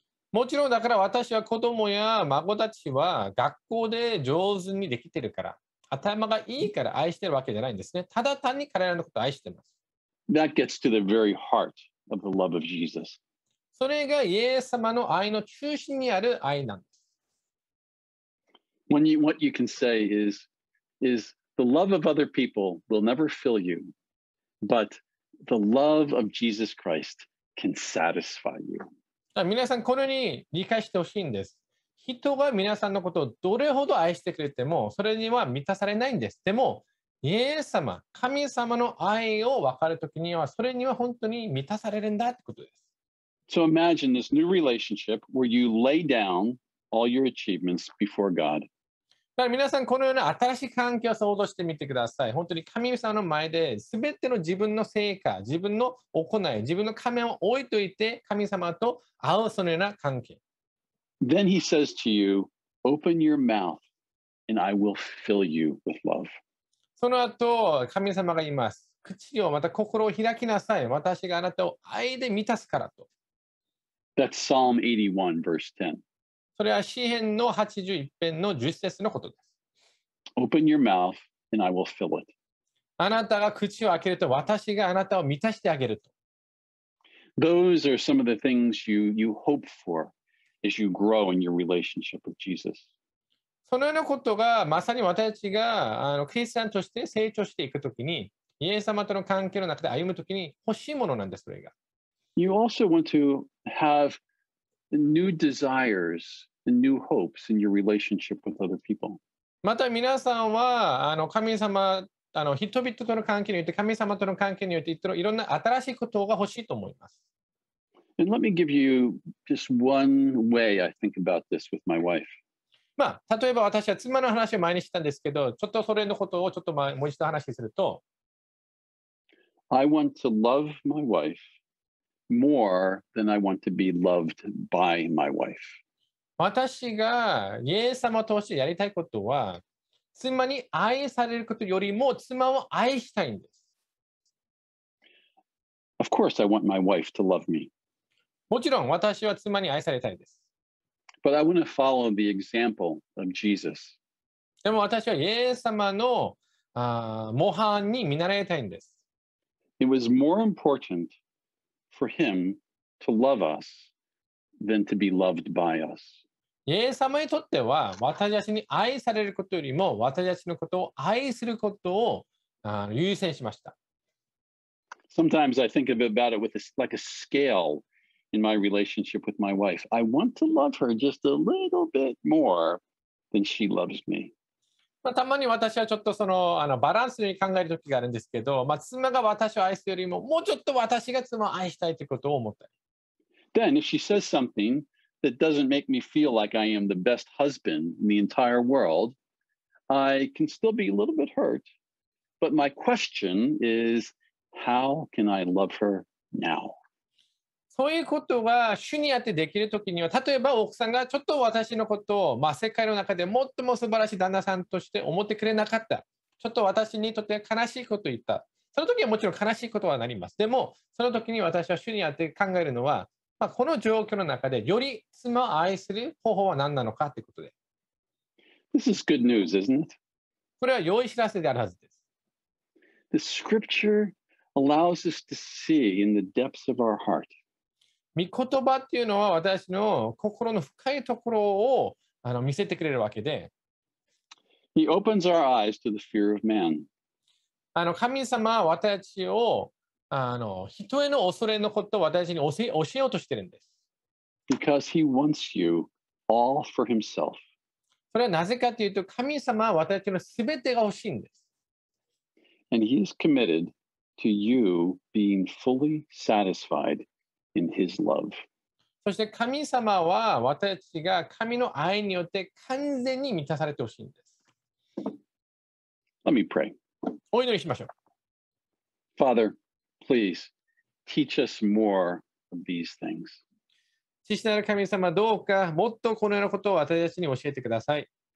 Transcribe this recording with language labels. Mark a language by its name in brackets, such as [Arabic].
[Japanese] もちろんだから私は子供や孫たちは学校で上手にできてるから、頭がいいから愛してるわけじゃないんですね。ただ単に彼らのことを愛してます。 [English] That gets to the very heart of the love of Jesus. [Japanese] それがイエス様の愛の中心にある愛なんです。 [English] When you, what you can say is the love of other people will never fill you, but the love of Jesus Christ can satisfy you. [Japanese] 皆さんこのように理解してほしいんです。人が皆さんのことをどれほど愛してくれても、それには満たされないんです。でも、イエス様、神様の愛を分かるときには、それには本当に満たされるんだってことです。 [English] So imagine this new relationship where you lay down. All your achievements before God. [Japanese] だから皆さんこのような新しい環境を想像してみてください。本当に神様の前で全ての自分の成果、自分の行い、自分の仮面を置いといて神様と会うそのような関係。 [English] Then he says to you, open your mouth and I will fill you with love. [Japanese] その後神様が言います。口をまた心を開きなさい。私があなたを愛で満たすからと。 [English] That's Psalm 81 verse 10. [Japanese] それは詩編の81編の10節のことです。 [English] Open your mouth and I will fill it. [Japanese] あなたが口を開けると、私があなたを満たしてあげると。 [English] Those are some of the things you hope for as you grow in your relationship with Jesus. [Japanese] そのようなことがまさに私たちがクリスチャンとして成長していくときに、イエス様との関係の中で歩むときに欲しいものなんです、それが。 [English] You also want to have new desires and new hopes in your relationship with other people. [Japanese] また皆さんは神様、人々との関係において、神様との関係において、いろんな新しいことが欲しいと思います。 [English] And let me give you just one way I think about this with my wife. [Japanese] まあ、例えば私は妻の話を前にしたんですけど、ちょっとそれのことをちょっともう一度話すると。 [English] I want to love my wife more than I want to be loved by my wife. [Japanese] 私がイエス様としてやりたいことは、妻に愛されることよりも妻を愛したいんです。 [English] Of course, I want my wife to love me. [Japanese] もちろん私は妻に愛されたいです。 [English] But I want to follow the example of Jesus. [Japanese] でも私はイエス様の模範に見習いたいんです。 [English] It was more important for him to love us than to be loved by us. [Japanese] イエス様にとっては、私たちに愛されることよりも、私たちのことを愛することを優先しました。 [English] Sometimes I think about it with like a scale in my relationship with my wife. I want to love her just a little bit more than she loves me. [Japanese] まあ、たまに私はちょっとバランスに考える時があるんですけど、まあ、妻が私を愛すよりも、もうちょっと私が妻を愛したいということを思ったり。 [English] Then if she says something,That doesn't make me feel like I am the best husband in the entire world. I can still be a little bit hurt, but my question is, how can I love her now? [Japanese] そういうことが主にあってできるときには、例えば奥さんがちょっと私のことを、まあ、世界の中で最も素晴らしい旦那さんとして思ってくれなかった。ちょっと私にとって悲しいことを言った。その時はもちろん悲しいことはなります。でも、その時に私は主にあって考えるのは、まあ、この状況の中でより妻を愛する方法は何なのかということで。 [English] This is good news, isn't it? [Japanese] これは良い知らせであるはずです。 [English] The scripture allows us to see in the depths of our heart. [Japanese] 御言葉っていうのは私の心の深いところを見せてくれるわけで。 [English] He opens our eyes to the fear of man. [Japanese] 神様は私たちを人への恐れのことを私に教えようとしてるんです。 [English] Because he wants you all for himself. [Japanese] それはなぜかというと、神様は私たちのすべてが欲しいんです。 [English] And he is committed to you being fully satisfied in his love. [Japanese] そして神様は私たちが神の愛によって完全に満たされて欲しいんです。 [English] Let me pray. [Japanese] お祈りしましょう。 [English] Father,Please teach us more of these things. [Japanese] 父なる神様、どうかもっとこのようなことを私たちに教えてください。